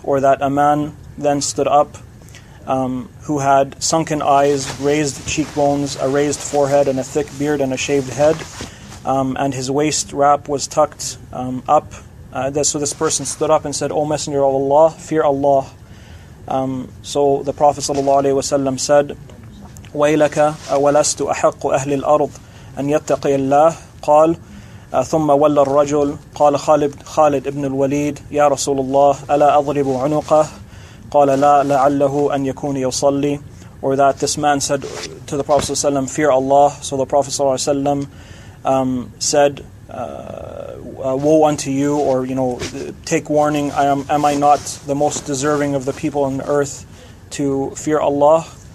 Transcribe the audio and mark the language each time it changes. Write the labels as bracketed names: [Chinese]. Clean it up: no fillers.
[English] Or that a man then stood up who had sunken eyes, raised cheekbones, a raised forehead, and a thick beard and a shaved head, and his waist wrap was tucked up. So this person stood up and said, "O Messenger of Allah, fear Allah." So the Prophet ﷺ said, [Arabic] "وَيْلَكَ أَوَلَسْتُ أَحَقُّ أَهْلِ الْأَرْضِ أَنْ يَتَّقِيَ اللَّهِ قَالَ ثُمَّ وَلَّ الرَّجُلُ قَالَ خَالِدْ ابْنُ الْوَلِيدِ يَا رَسُولُ اللَّهِ أَلَا أَضْرِبُ عُنُقَهِ قَالَ لَا لَعَلَّهُ أَنْ يَكُونِ يُصَلِّي." [English] Or that this man said to the Prophet ﷺ, "Fear Allah." So the Prophet ﷺ said, "Woe unto you," or you know, "take warning. Am I not the most deserving of the people on the earth to fear Allah?"